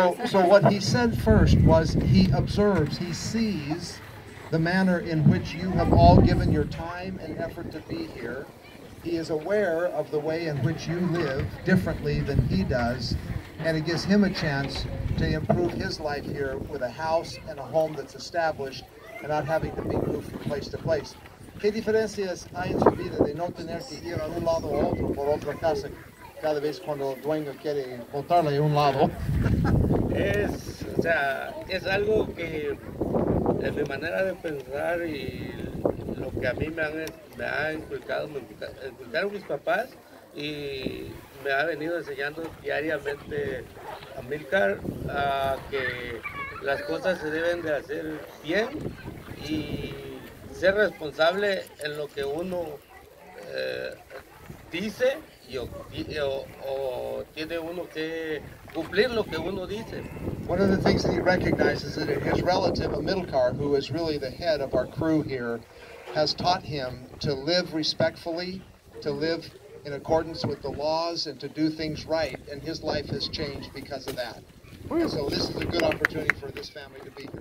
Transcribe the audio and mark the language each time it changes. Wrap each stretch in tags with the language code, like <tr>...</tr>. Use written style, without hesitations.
<en>So what he said first was he observes, he sees the manner in which you have all given your time and effort to be here. He is aware of the way in which you live differently than he does, and it gives him a chance to improve his life here with a house and a home that's established and not having to be moved from place to place.</en> <es>¿Qué diferencias hay en su vida de no tener que ir a un lado o otro por otra casa cada vez cuando el dueño quiere botarle un lado? Es algo que en mi manera de pensar y lo que a mí me inculcaron mis papás y me ha venido enseñando diariamente a Milcar a que las cosas se deben de hacer bien y ser responsable en lo que uno dice o tiene uno que cumplir lo que uno dice.</es> <en>One of the things that he recognizes is that his relative, Amilcar, who is really the head of our crew here, has taught him to live respectfully, to live in accordance with the laws, and to do things right, and his life has changed because of that. And so this is a good opportunity for this family to be here.</en>